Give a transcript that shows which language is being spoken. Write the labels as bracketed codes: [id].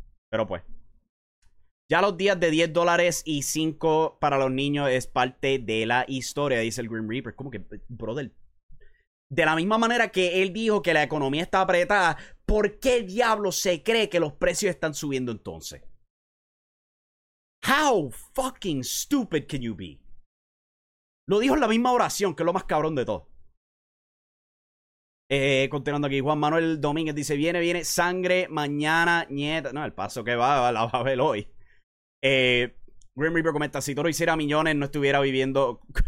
[es] Pero pues, ya los días de $10 y 5 para los niños es parte de la historia, dice el Grim Reaper. ¿Cómo que, brother? De la misma manera que él dijo que la economía está apretada, ¿por qué diablo se cree que los precios están subiendo entonces? [en] How fucking stupid can you be? [es] Lo dijo en la misma oración, que es lo más cabrón de todo. Continuando aquí, Juan Manuel Domínguez dice: viene sangre mañana, nieta. No, el paso que va, la va a ver hoy. Grim Reaper comenta: si Toro hiciera millones, no estuviera viviendo.